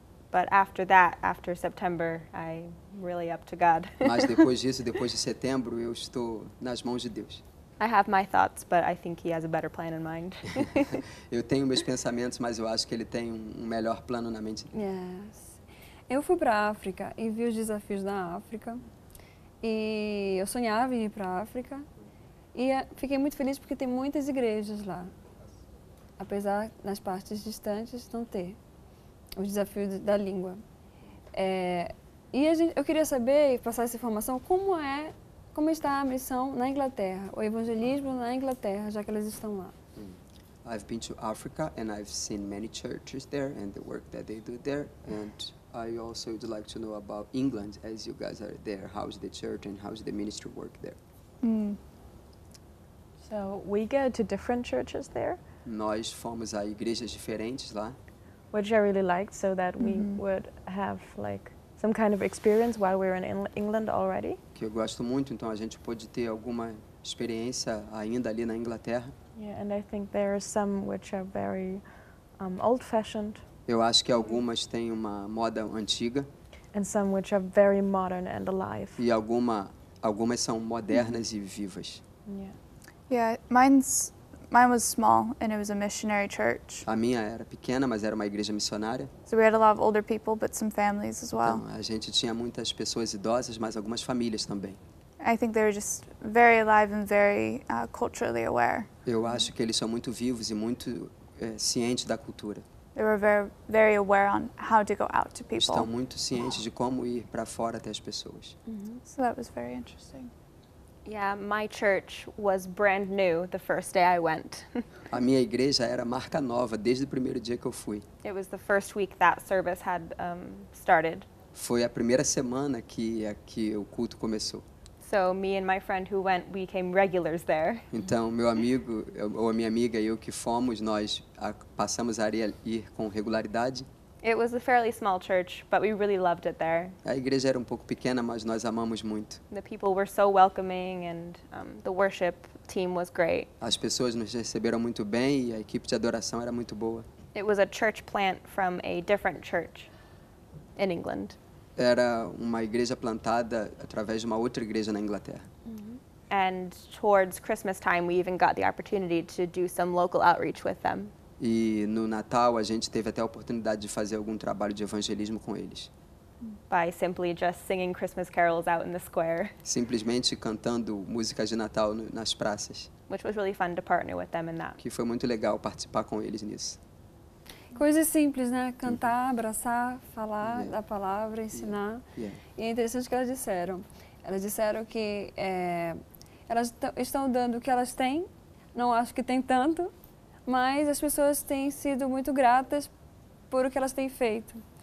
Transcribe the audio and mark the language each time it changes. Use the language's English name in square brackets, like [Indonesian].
[English] But after that, after September, I'm really up to God. [Portuguese] Mas depois disso, depois de setembro, eu estou nas mãos de Deus. [English] I have my thoughts, but I think he has a better plan in mind. [Portuguese] Eu tenho meus pensamentos, mas eu acho que ele tem um melhor plano na mente. [English] Yes. [Portuguese] Eu fui para a África e vi os desafios da África. E eu sonhava em ir para a África. E fiquei muito feliz porque tem muitas igrejas lá. Apesar nas partes distantes não ter o desafio da língua. É, e a gente, eu queria saber, passar essa informação, como está a missão na Inglaterra, o evangelismo na Inglaterra, já que elas estão lá. [English] I've been to Africa and I've seen many churches there and the work that they do there. And I also would like to know about England, as you guys are there. How's the church and how's the ministry work there? So we go to different churches there. [Portuguese] Nós fomos a igrejas diferentes lá. [English] Which I really liked, so that we would have like some kind of experience while we were in England already. [Portuguese] Que eu gosto muito, então a gente pode ter alguma experiência ainda ali na Inglaterra. [English] Yeah, and I think there are some which are very old-fashioned. [Portuguese] Eu acho que algumas têm uma moda antiga. [English] And some which are very modern and alive. [Portuguese] E algumas são modernas e vivas. [English] Yeah, mine was small and it was a missionary church. [Portuguese] A minha era pequena, mas era uma igreja missionária. [English] So we had a lot of older people, but some families as well. [Portuguese] Então, a gente tinha muitas pessoas idosas, mas algumas famílias também. [English] I think they were just very alive and very culturally aware. [Portuguese] Eu acho que eles são muito vivos e muito cientes da cultura. [English] They were very, very aware on how to go out to people. [Portuguese] Estão muito cientes de como ir para fora até as pessoas. [English] Mm-hmm. So that was very interesting. Yeah, my church was brand new the first day I went. [Portuguese] A minha igreja era marca nova desde o primeiro dia que eu fui. [English] It was the first week that service had started. [Portuguese] Foi a primeira semana que o culto começou. [English] So me and my friend who went, we became regulars there. [Portuguese] Então meu amigo ou a minha amiga e eu que fomos, nós passamos a ir com regularidade. [English] It was a fairly small church, but we really loved it there. [Portuguese] A igreja era pouco pequena, mas nós amamos muito. [English] The people were so welcoming, and the worship team was great. [Portuguese] As pessoas nos receberam muito bem, e a equipe de adoração era muito boa. [English] It was a church plant from a different church in England. [Portuguese] Era uma igreja plantada através de uma outra igreja na Inglaterra. Mm-hmm. [English] And towards Christmas time, we even got the opportunity to do some local outreach with them. [Portuguese] E no Natal, a gente teve até a oportunidade de fazer algum trabalho de evangelismo com eles. [English] By simply just singing Christmas carols out in the square. [Portuguese] Simplesmente cantando músicas de Natal nas praças. [English] Which was really fun to partner with them in that. Que foi muito legal participar com eles nisso. [Portuguese] Coisas simples, né? Cantar, abraçar, falar da palavra, ensinar. [English] Yeah. [Portuguese] E é interessante o que elas disseram. Elas disseram que elas estão dando o que elas têm. Não acho que tem tanto. Mas as pessoas têm sido muito gratas por o que elas têm feito.